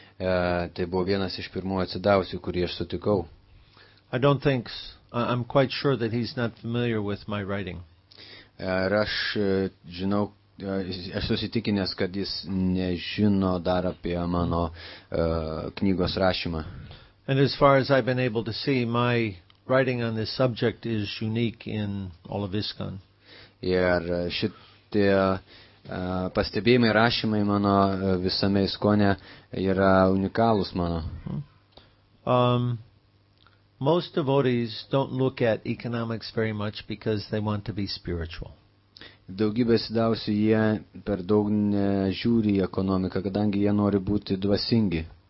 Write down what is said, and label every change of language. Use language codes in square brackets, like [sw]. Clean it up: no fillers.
[lt] Tai buvo vienas iš pirmųjų atsidavusių, kurį aš sutikau. [en] I don't think, I'm quite sure that he's not familiar with my writing. [lt] Ir aš žinau, aš susitikinęs, kad jis nežino dar apie mano knygos rašymą. [en] And as far as I've been able to see, my writing on this subject is unique in all of ISKCON. [lt] Ir šitie pastebėjimai, rašymai mano visame ISKCONe yra unikalūs mano. [en] Most devotees don't look at economics very much because they want to be spiritual. [lt] Daugybė sidausių jie per daug nežiūri į ekonomiką, kadangi jie nori būti dvasingi.